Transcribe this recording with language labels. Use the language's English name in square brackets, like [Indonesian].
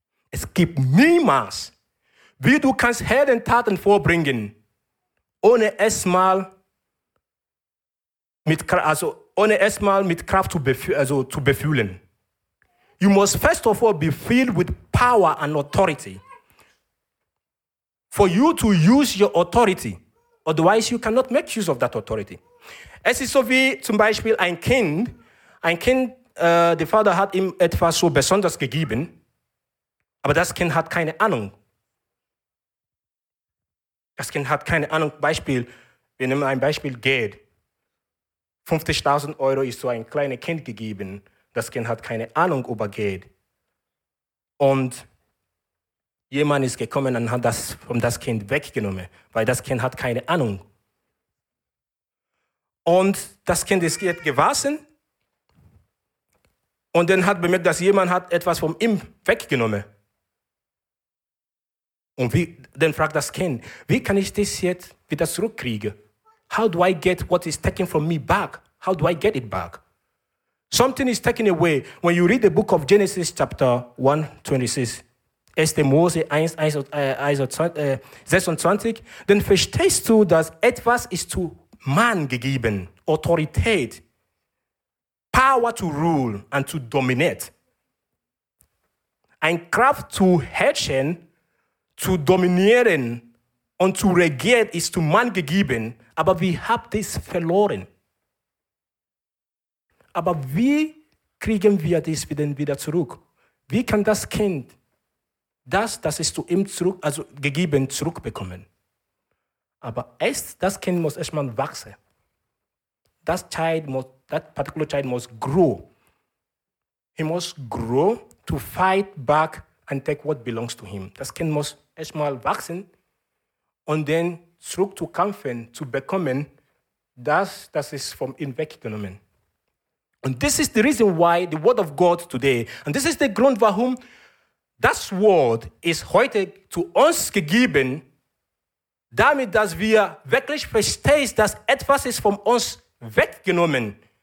[German] Es gibt niemals, wie du kannst Heldentaten vorbringen, ohne erstmal mit Kraft zu befühlen. [English] You must first of all be filled with power and authority. For you to use your authority, Otherwise, you cannot make use of that authority. [German] Es ist so wie zum Beispiel ein Kind, der Vater hat ihm etwas so besonders gegeben, aber das Kind hat keine Ahnung. Das Kind hat keine Ahnung. Beispiel, wir nehmen ein Beispiel Geld. 50.000 Euro ist so ein kleines Kind gegeben. Das Kind hat keine Ahnung über Geld. Und jemand ist gekommen und hat das von das Kind weggenommen, weil das Kind hat keine Ahnung. Und das Kind ist gewachsen und dann hat bemerkt, dass jemand hat etwas von ihm weggenommen. Und wie, dann fragt das Kind, wie kann ich das jetzt wieder zurückkriegen? [English] How do I get what is taken from me back? How do I get it back? Something is taken away. When you read the book of Genesis chapter 1:26, 1. [German] Mose 1:26, dann verstehst du, dass etwas ist zu Mann gegeben, Autorität, [English] Power to rule and to dominate. [German] Ein Kraft zu herrschen, zu dominieren und zu regieren ist zu Mann gegeben, aber wir haben das verloren. Aber wie kriegen wir das wieder zurück? Wie kann das Kind das ist zu ihm zurück, also gegeben, zurückbekommen? Aber erst das Kind muss erstmal wachsen. Das Child muss, [English] that particular child must grow. He must grow to fight back and take what belongs to him. [German] Das Kind muss erstmal wachsen und dann zurück zu kämpfen, zu bekommen, das ist von ihm weggenommen. [English] And this is the reason why the word of God today, and this is the ground [German] warum das Wort ist heute zu uns gegeben, damit dass wir wirklich verstehen, dass etwas ist von uns weggenommen.